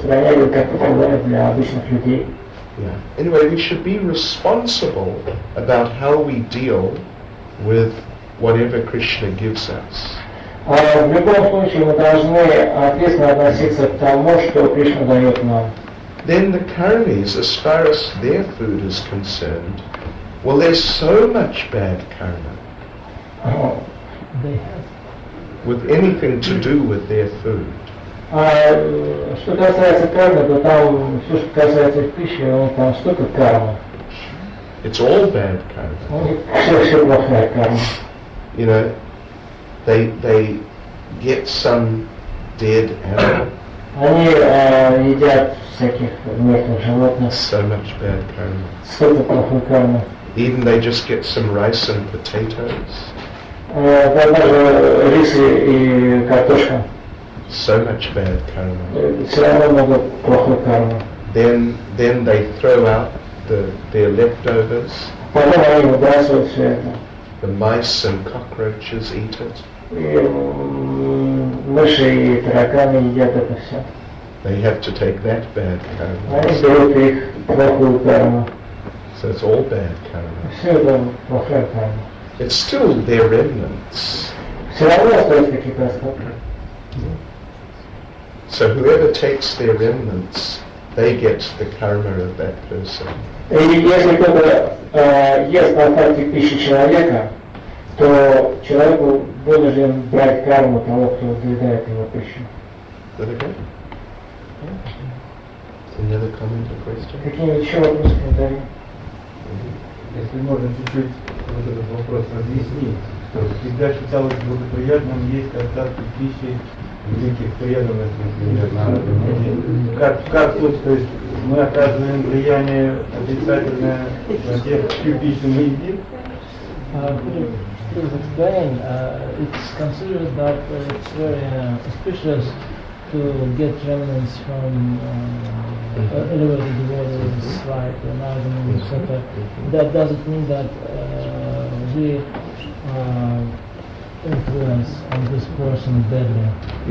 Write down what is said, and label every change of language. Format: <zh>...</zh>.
<en>Yeah. Anyway, we should be responsible about how we deal with whatever Krishna gives us.</en> <ru>В любом случае, мы должны ответственно относиться к тому, что Кришна дает нам.</ru> <en>Then the karmis, as far as their food is concerned, well, there's so much bad karma. They have. With anything to do with their food.</en> <ru>А что касается кармы, то там все, что касается пищи, там столько кармы.</ru> <en>It's all bad karma.</en> <ru>Все плохая карма.</ru> <en>You know, they get some dead animal.</en> <ru>Они едят всяких мертвых животных.</ru> <en>So much bad karma.</en> <ru>Столько плохой кармы.</ru> <en>Even they just get some rice and potatoes.</en> <ru>Там даже рис и картошка.</ru> <en>So much bad karma. Then they throw out their leftovers. The mice and cockroaches eat it. They have to take that bad karma. So it's all bad karma.</en> <ru>Все это плохая карма.</ru> <en>It's still their remnants.</en> <ru>Все равно остались какие-то остатки.</ru> <en>So whoever takes their remnants, they get the karma of that person.</en> <ru>И если кто-то ест остатки пищи человека, то человек вынужден брать карму того, кто доедает его пищу.</ru> <en>Is that okay? Yeah. Another comment or question?</en> <ru>Какие еще вопросы, комментарии? Если можно чуть-чуть вот этот вопрос разъяснить, что всегда считалось благоприятным есть остатки пищи великих преданных, например, на как тут, то есть мы оказываем влияние отрицательное на тех, чью пищу мы едим?</ru> <en>Please explain, it's considered that it's very auspicious to get remnants from elevated devotees like Narada, etc. That doesn't mean that we influence on this person badly.</en>